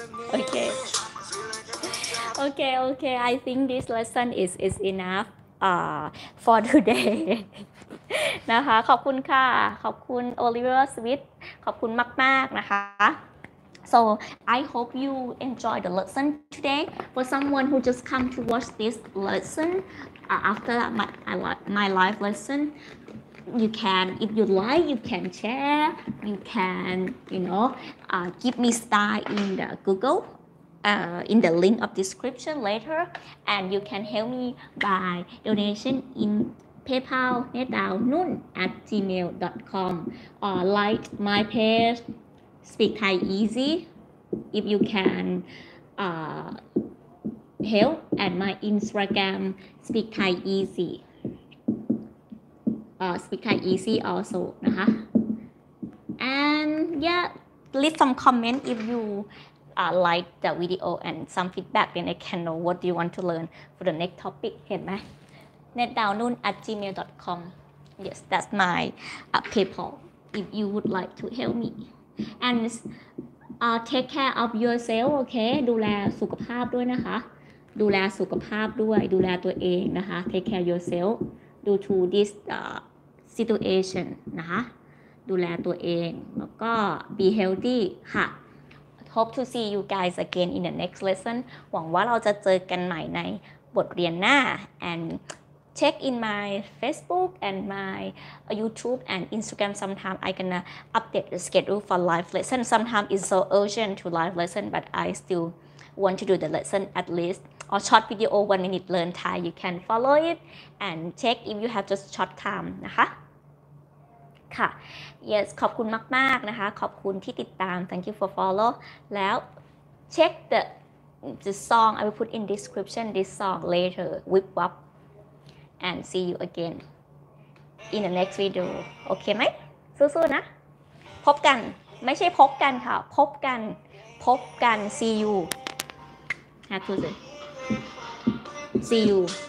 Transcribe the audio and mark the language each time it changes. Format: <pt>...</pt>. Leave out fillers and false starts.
<th>โอเคโอเคโอเค</th> <en>I think this lesson is enough for today</en> <th>นะคะขอบคุณค่ะขอบคุณโอลิเวอร์สวิตขอบคุณมากๆนะคะ</th> <en>So I hope you enjoy the lesson today. For someone who just come to watch this lesson after my live lesson, you can, if you like, you can share, you can, you know, give me star in the Google, in the link of description later, and you can help me by donation in PayPal netdownnoon@gmail.com or like my page. Speak Thai easy if you can help at my Instagram Speak Thai easy Speak Thai easy also นะคะ and yeah leave some comment if you like the video and some feedback then I can know what do you want to learn for the next topic</en> <th>เห็นไหม</th> <en>netdownnoon@gmail.com yes that's my PayPal if you would like to help meAnd take care of yourself, okay?</en> <th>ดูแลสุขภาพด้วยนะคะดูแลสุขภาพด้วยดูแลตัวเองนะคะ</th> <en>Take care yourself due to this situation</en> <th>นะคะดูแลตัวเองแล้วก็</th> <en>be healthy ค่ะ Hope to see you guys again in the next lesson</en> <th>หวังว่าเราจะเจอกันใหม่ในบทเรียนหน้า</th> <en>AndCheck in my Facebook and my YouTube and Instagram. Sometimes I'm gonna update the schedule for live lesson. Sometimes it's so urgent to live lesson, but I still want to do the lesson at least. Or short video, 1 minute learn Thai. You can follow it and check if you have just short time.</en> <th>นะคะ ค่ะ Yes, ขอบคุณมากๆ นะคะ ขอบคุณที่ติดตาม.</th> <en>Thank you for follow. แล้ว check the song. I will put in description this song later. Whip up.And see you again in the next video</en> <th>โอเคไหมสู้ๆนะพบกันไม่ใช่พบกันค่ะพบกันพบกัน</th> <en>see you</en> <th>ฮะทุกคน see you</th>